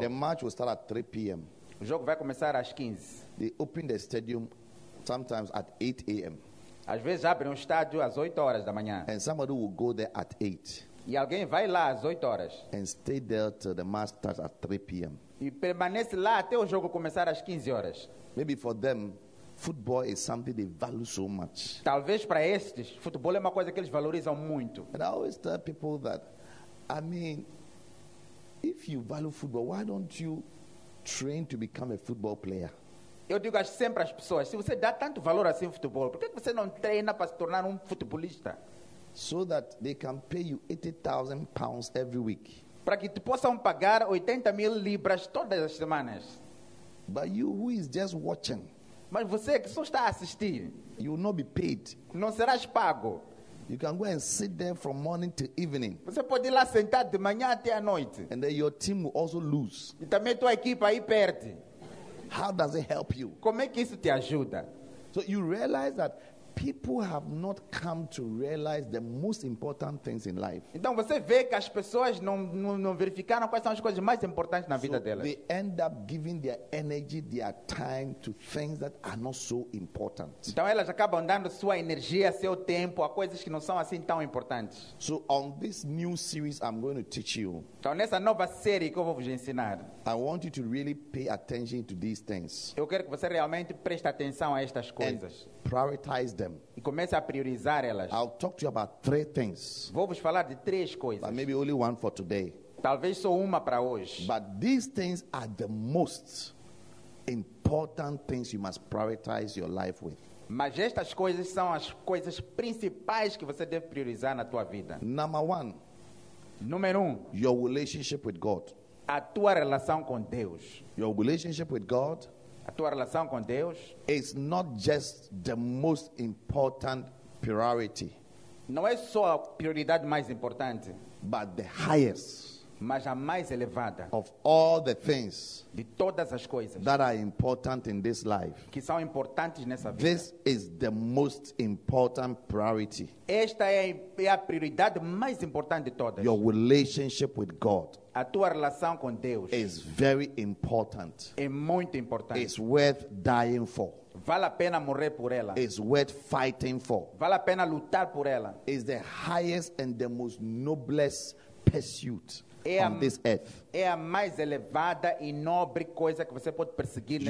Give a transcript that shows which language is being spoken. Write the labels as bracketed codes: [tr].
[en] The match will start at 3 p.m. [pt] O jogo vai começar às 15. [en] They open the stadium sometimes at 8 a.m. [pt] Às vezes abrem o estádio às 8 horas da manhã. [en] And somebody will go there at 8. [pt] E alguém vai lá às 8 horas. [en] And stay there till the match starts at 3 p.m. [pt] E permanece lá até o jogo começar às 15 horas. [en] Maybe for them, football is something they value so much. [pt] Talvez para estes, futebol é uma coisa que eles valorizam muito. [en] And I always tell people that, I mean, if you value football, why don't you train to become a football player? [pt] Eu digo sempre às pessoas, se você dá tanto valor assim ao futebol, por que você não treina para se tornar futebolista? [en] So that they can pay you 80,000 pounds every week. [pt] Para que te possam pagar 80 mil libras todas as semanas. [en] But you who is just watching. [pt] Mas você que só está a assistir. [en] You will not be paid. [pt] Não serás pago. [en] You can go and sit there from morning to evening. [pt] Você pode ir lá sentar de manhã até à noite. [en] And then your team will also lose. [pt] E também tua equipa aí perde. [en] How does it help you? [pt] Como é que isso te ajuda? [en] So you realize that people have not come to realize the most important things in life. [pt] Então você vê que as pessoas não verificaram quais são as coisas mais importantes na vida delas. [en] So they end up giving their energy, their time to things that are not so important. [pt] Então elas acabam dando sua energia, seu tempo a coisas que não são assim tão importantes. [en] So on this new series I'm going to teach you. [pt] Então nessa nova série que eu vou vos ensinar. [en] I want you to really pay attention to these things. [pt] Eu quero que você realmente preste atenção a estas coisas. [en] Prioritize them. [pt] E comece a priorizar elas. [en] I'll talk to you about three things. [pt] Vou vos falar de três coisas. [en] But maybe only one for today. [pt] Talvez só uma para hoje. [en] But these things are the most important things you must prioritize your life with. [pt] Mas estas coisas são as coisas principais que você deve priorizar na tua vida. [en] Number one. [pt] Número um. [en] Your relationship with God. [pt] A tua relação com Deus. [en] Your relationship with God. [pt] A tua relação com Deus [en] is not just the most important priority. [pt] Não é só a prioridade mais importante, [en] but the highest, [pt] mas a mais elevada [en] of all the things, [pt] de todas as coisas [en] that are important in this life, [pt] que são importantes nessa vida. [en] This is the most important priority. [pt] Esta é a prioridade mais importante de todas. [en] Your relationship with God. [pt] A tua relação com Deus [en] is very important. [pt] É muito importante. [en] It's worth dying for. [pt] Vale a pena morrer por ela. [en] It's worth fighting for. [pt] Vale a pena lutar por ela. [en] It's the highest and the most noblest pursuit on this earth. [pt] É a mais elevada e nobre coisa que você pode perseguir nesta